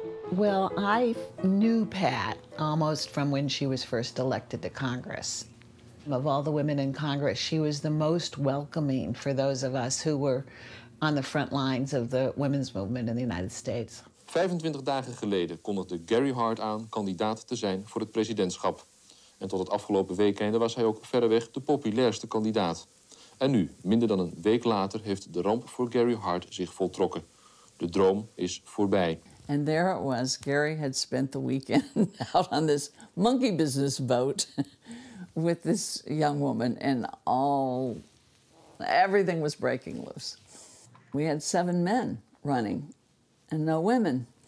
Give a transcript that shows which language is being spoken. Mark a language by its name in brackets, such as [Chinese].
[English] Well, I knew Pat almost from when she was first elected to Congress. Of all the women in Congress, she was the most welcoming for those of us who were on the front lines of the women's movement in the United States. [Dutch] 25 dagen geleden kondigde Gary Hart aan kandidaat te zijn voor het presidentschap. En tot het afgelopen weekende was hij ook verreweg de populairste kandidaat. En nu, minder dan een week later, heeft de ramp voor Gary Hart zich voltrokken. De droom is voorbij. [English] And there it was. Gary had spent the weekend out on this monkey business boat with this young woman, and everything was breaking loose. We had 7 men running and no women.